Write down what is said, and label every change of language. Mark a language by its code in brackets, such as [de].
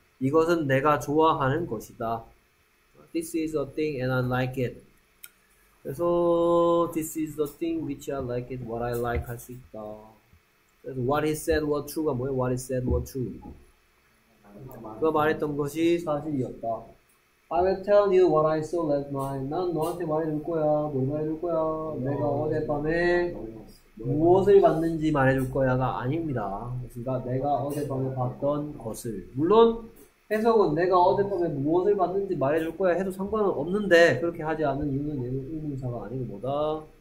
[ko] 이것은 내가 좋아하는 것이다. [en] This is the thing and I like it. [ko] 그래서 [en] this is the thing which I like [ko] it, what I like 할수 있다. [en] What he said was true가 [ko] 뭐예요? [en] What he said was true. [ko] 그가 말했던 것이 사실이었다. [en] I will tell you what I saw last night. [ko] 난 너한테 말해줄 거야. 뭘 말해줄 거야? 내가 어젯밤에 무엇을 봤는지 말해줄 거야가 아닙니다. 그러니까 내가 어젯밤에 봤던 것을. 물론 해석은 내가 어젯밤에 무엇을 봤는지 말해줄 거야 해도 상관은 없는데 그렇게 하지 않은 이유는 의문사가 아닌 거다.